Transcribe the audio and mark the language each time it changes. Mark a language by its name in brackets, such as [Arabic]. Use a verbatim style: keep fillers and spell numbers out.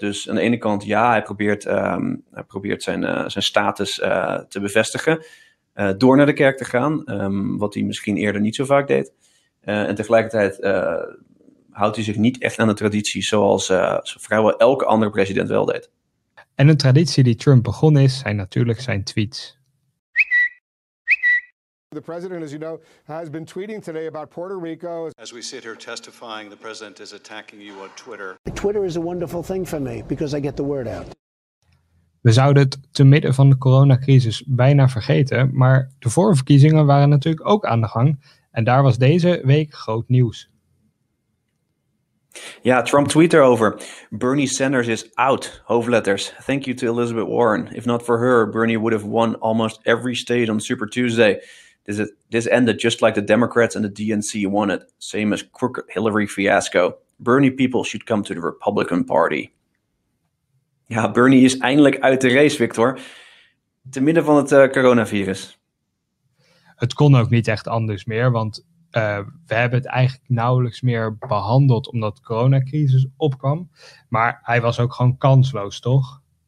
[Dutch] Dus aan de ene kant, ja, hij probeert, um, hij probeert zijn, uh, zijn status uh, te bevestigen uh, door naar de kerk te gaan, um, wat hij misschien eerder niet zo vaak deed. Uh, en tegelijkertijd uh, houdt hij zich niet echt aan de traditie zoals uh, vrijwel elke andere president wel deed. En een traditie die Trump begonnen is, zijn natuurlijk zijn tweets. [English] The president, as you know, has been tweeting today about Puerto Rico. As we sit here testifying, the president is attacking you on Twitter. Twitter is a wonderful thing for me because I get the word out. [Dutch] We zouden het te midden van de coronacrisis bijna vergeten, maar de voorverkiezingen waren natuurlijk ook aan de gang. En daar was deze week groot nieuws. Ja, Trump tweet erover. [English] Bernie Sanders is out, [Dutch] hoofdletters. [English] Thank you to Elizabeth Warren. If not for her, Bernie would have won almost every state on Super Tuesday. This, is, this ended just like the Democrats and the D N C won it. Same as crooked Hillary fiasco. Bernie people should come to the Republican Party. [Dutch] Ja, Bernie is eindelijk uit de race, Victor. Te midden van het uh, coronavirus. Het kon ook niet echt anders meer, want uh, we hebben het eigenlijk nauwelijks meer behandeld omdat de coronacrisis opkwam. Maar hij was ook gewoon kansloos, toch?